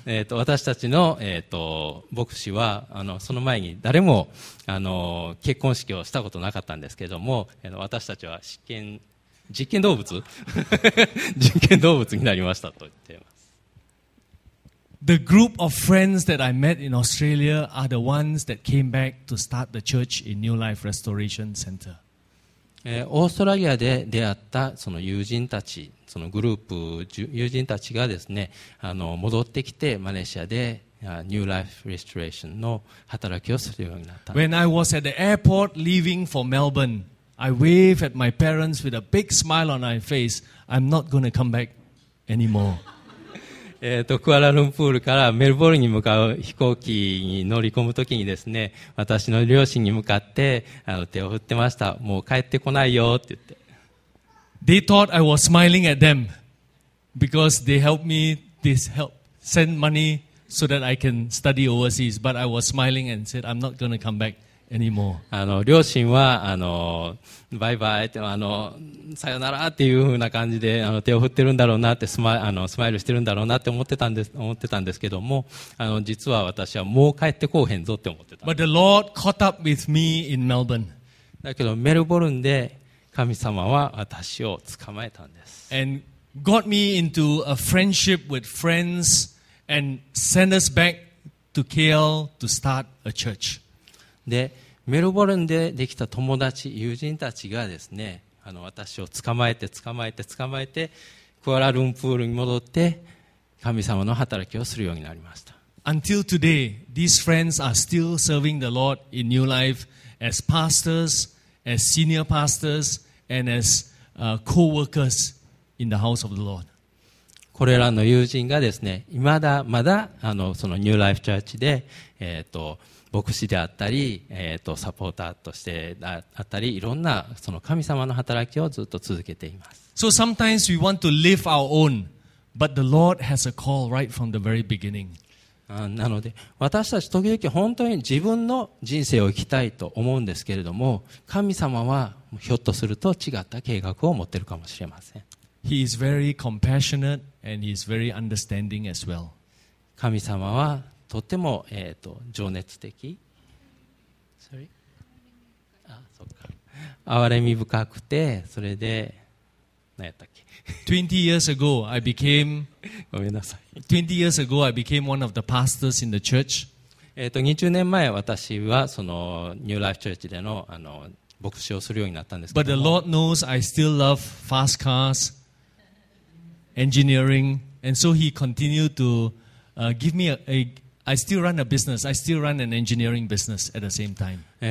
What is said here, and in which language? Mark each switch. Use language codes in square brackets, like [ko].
[ja] 私たちの、牧師はその前に誰も結婚式をしたことなかったんですけれども、私たちは実験動物実験動物になりましたと言っています。 [en] The group of friends that I met in Australia are the ones that came back to start the church in New Life Restoration Center. [ja] オーストラリアで出会ったその友人たち、そのグループ友人たちがですね、戻ってきてマレーシアでニューライフレストレーションの働きをするようになった。 [en] When I was at the airport leaving for Melbourne, I wave at my parents with a big smile on my face. I'm not going to come back anymore. [ja] クアラルンプールからメルボルンに向かう飛行機に乗り込むときにですね、私の両親に向かって手を振ってました。もう帰ってこないよって言って。 [en] They thought I was smiling at them because they helped me this help send money so that I can study overseas. But I was smiling and said, I'm not going to come back anymore. [ja] 両親はバイバイってさよならっていう風な感じで手を振ってるんだろうなってスマイルしてるんだろうなって思ってたんですけども実は私はもう帰ってこうへんぞって思ってた。 [en] But the Lord caught up with me in Melbourne. [ja] だけどメルボルンで神様は私を捕まえたんです。 [en] And got me into a friendship with friends and sent us back to KL to start a church. [ja] で、メルボルンでできた友達、友人たちがですね、私を捕まえて、クアラルンプールに戻って、神様の働きをするようになりました。 [en] Until today, these friends are still serving the Lord in New Life as pastors. As senior pastors and as co-workers in the house of the Lord. [ja] これらの友人がですね、いまだまだそのニューライフチャーチで、牧師であったり、サポーターとしてあったり、いろんなその神様の働きをずっと続けています。 [en] So sometimes we want to live our own, but the Lord has a call right from the very beginning. [ja] なので私たち時々本当に自分の人生を生きたいと思うんですけれども神様はひょっとすると違った計画を持っているかもしれません。 [en] He is very compassionate and he is very understanding as well. [ja] 神様はとても、情熱的、憐れみ深くて、それで何やったっけ [en] 20 years ago I became [ja] ごめんなさい [en] 20 years ago I became one of the pastors in the church [ja] 20年前私はそのニューライフチャーチでの牧師をするようになったんですけど [en] But the Lord knows I still love fast cars engineering and so he continued to give me I still run a business. I still run an engineering business at the same time.